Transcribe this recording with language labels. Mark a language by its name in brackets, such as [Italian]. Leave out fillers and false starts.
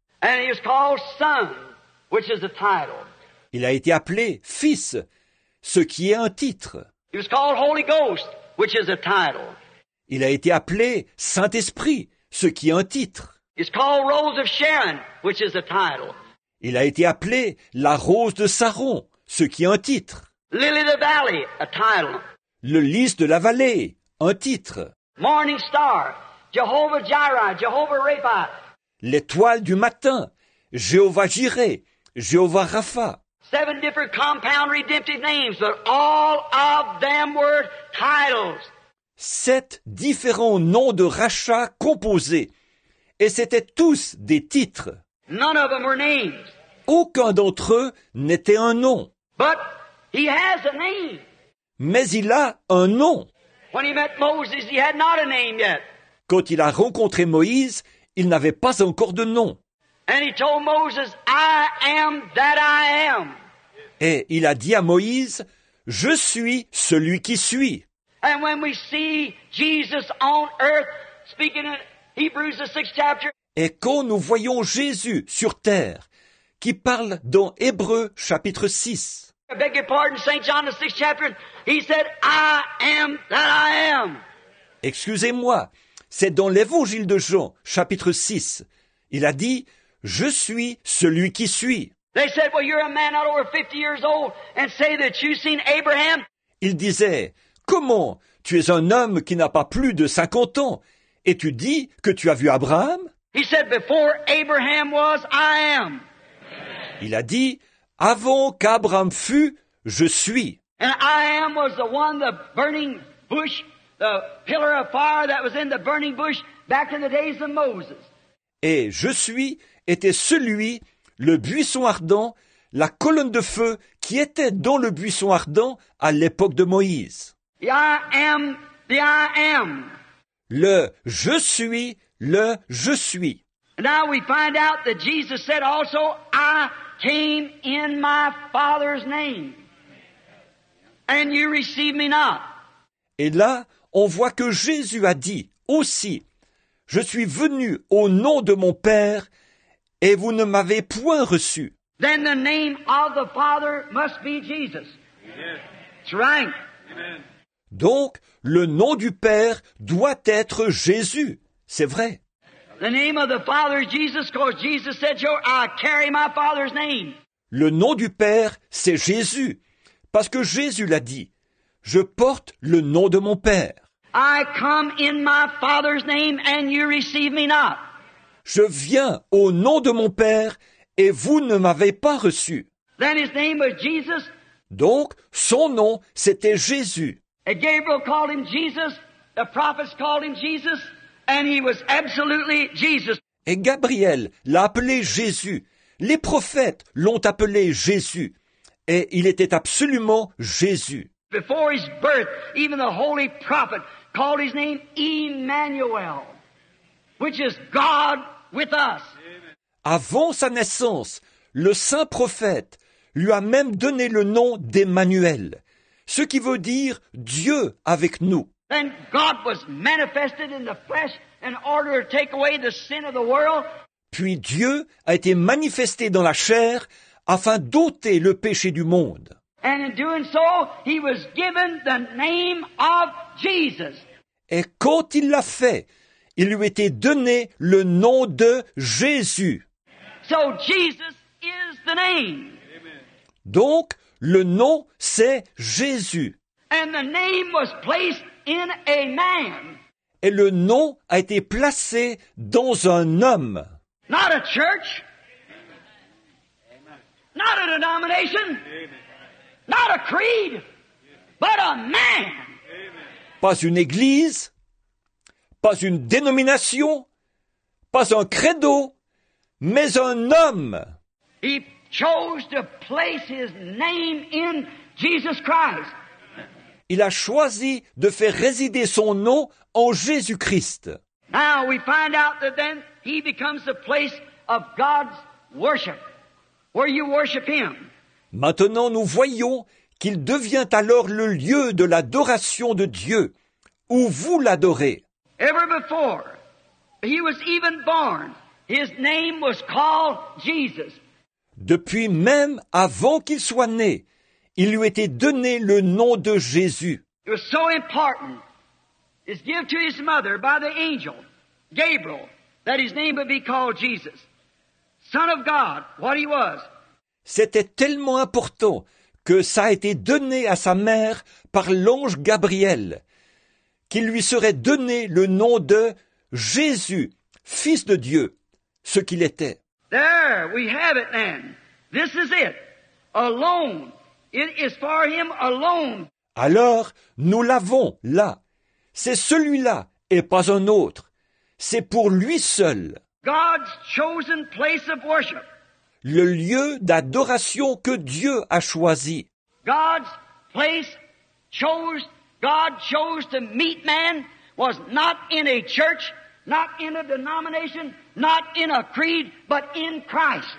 [English] And he was called Son, which is a title. [French] Il a été appelé Fils, ce qui est un titre. [English] He was called Holy Ghost, which is a title. [French] Il a été appelé Saint-Esprit, ce qui est un titre. [English] He's called Rose of Sharon, which is a title. [French] Il a été appelé la rose de Saron, ce qui est un titre. [English] Lily the Valley, a title. [French] Le lys de la vallée, un titre. [English] Morning Star, Jehovah Jireh, Jehovah Rapha. [French] L'étoile du matin, Jéhovah Jireh, Jéhovah Rapha. [English] Seven different compound redemptive names, but all of them were titles. [French] Sept différents noms de rachat composés, et c'étaient tous des titres. [English] None of them were names. [French] Aucun d'entre eux n'était un nom. [English] But he has a name. [French] Mais il a un nom. [English] When he met Moses, he had not a name yet. [French] Quand il a rencontré Moïse, il n'avait pas encore de nom. [English] And he told Moses, I am that I am. [French] Et il a dit à Moïse, je suis celui qui suis. [English] And when we see Jesus on earth speaking in Hebrews the sixth chapter. [French] Et quand nous voyons Jésus sur terre, qui parle dans Hébreux chapitre 6. [English] I beg your pardon, St. John, the 6th chapter, he said, I am that I am. [French] Excusez-moi, c'est dans l'évangile de Jean, chapitre 6. Il a dit, je suis celui qui suis. [English] They said, well, you're a man not over 50 years old and say that you've seen Abraham. [French] Il disait, comment tu es un homme qui n'a pas plus de 50 ans et tu dis que tu as vu Abraham? [English] He said, before Abraham was, I am. [French] Il a dit, avant qu'Abraham fût, je suis. [English] And I am was the one, the burning bush, the pillar of fire that was in the burning bush back in the days of Moses. [French] Et je suis était celui, le buisson ardent, la colonne de feu qui était dans le buisson ardent à l'époque de Moïse. [English] I am, the I am. [French] Le je suis, le je suis. [English] Now we find out that Jesus said also, I came in my Father's name, and you receive me not. [French] Et là, on voit que Jésus a dit aussi, je suis venu au nom de mon Père, et vous ne m'avez point reçu. [English] Then the name of the Father must be Jesus. Amen. That's right. Amen. [French] Donc, le nom du Père doit être Jésus. C'est vrai. [English] The name of the Father is Jesus, because Jesus said, "Yo, I carry my Father's name." [French] Le nom du Père, c'est Jésus, parce que Jésus l'a dit. Je porte le nom de mon Père. [English] I come in my Father's name, and you receive me not. [French] Je viens au nom de mon Père et vous ne m'avez pas reçu. [English] Then his name was Jesus. [French] Donc, son nom, c'était Jésus. [English] And Gabriel called him Jesus, the prophets called him Jesus, and he was absolutely Jesus. [French] Et Gabriel l'a appelé Jésus. Les prophètes l'ont appelé Jésus. Et il était absolument Jésus. [English] Before his birth, even the holy prophet called his name Emmanuel. Which is God with us. [French] Avant sa naissance, le saint prophète lui a même donné le nom d'Emmanuel, ce qui veut dire Dieu avec nous. [English] And God was manifested in the flesh in order to take away the sin of the world. [French] Puis Dieu a été manifesté dans la chair afin d'ôter le péché du monde. [English] And in doing so, he was given the name of Jesus. [French] Et quand il l'a fait, il lui était donné le nom de Jésus. [English] So Jesus is the name. [French] Donc, le nom, c'est Jésus. [English] And the name was placed in a man. [French] Et le nom a été placé dans un homme. [English] Not a church. Amen. Not a denomination. Amen. Not a creed. Amen. But a man. Amen. [French] Pas une église. Pas une dénomination, pas un credo, mais un homme. [English] He chose to place his name in Jesus Christ. [French] Il a choisi de faire résider son nom en Jésus-Christ. [English] Now we find out that then he becomes the place of God's worship, where you worship him. [French] Maintenant nous voyons qu'il devient alors le lieu de l'adoration de Dieu, où vous l'adorez. [English] Ever before he was even born, his name was called Jesus. [French] Depuis même avant qu'il soit né, il lui était donné le nom de Jésus. [English] It was so important, it's given to his mother by the angel, Gabriel, that his name would be called Jesus. Son of God, what he was. [French] C'était tellement important que ça a été donné à sa mère par l'ange Gabriel, qu'il lui serait donné le nom de Jésus, Fils de Dieu, ce qu'il était. [English] There, we have it then. This is it. Alone. It is for him alone. [French] Alors, nous l'avons là. C'est celui-là et pas un autre. C'est pour lui seul. [English] God's chosen place of worship. [French] Le lieu d'adoration que Dieu a choisi. [English] God's place chosen. God chose to meet man was not in a church, not in a denomination, not in a creed, but in Christ.